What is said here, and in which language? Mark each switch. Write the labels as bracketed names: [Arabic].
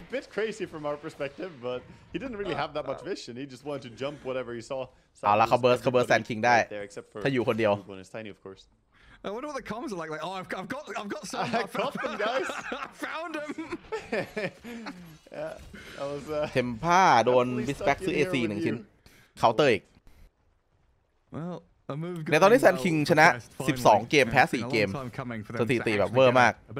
[English] A bit crazy from our perspective but he didn't really have that much vision he just wanted to jump whatever he saw [Thai] เอาละเขาเบิร์สแซนคิงได้ถ้าอยู่คนเดียว [English] tiny, of course. I wonder what the comms are like oh I've got some problem guys I found him yeah, was, [Thai] เทมพ่าโดนบิสแบ็กซื้อ AC 1 ชิ้นเคาน์เตอร์อีก [English] well [Thai] ในตอนนี้แซนคิงชนะ12เกมแพ้4เกมสถิติแบบเวอร์มาก